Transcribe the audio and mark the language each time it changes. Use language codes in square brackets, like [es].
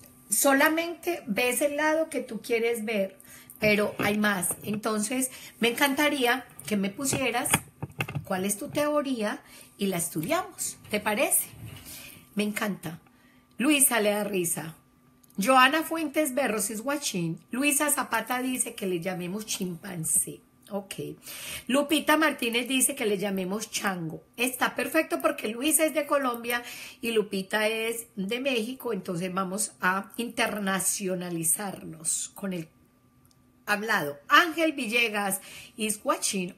[es] Solamente ves el lado que tú quieres ver, pero hay más. Entonces, me encantaría que me pusieras cuál es tu teoría y la estudiamos. ¿Te parece? Me encanta. Luisa le da risa. [en] Joana Fuentes Berros is watching. [es] Luisa Zapata dice que le llamemos chimpancé. Ok. Lupita Martínez dice que le llamemos chango. Está perfecto porque Luisa es de Colombia y Lupita es de México. Entonces vamos a internacionalizarnos con el hablado. [en] Ángel Villegas is watching.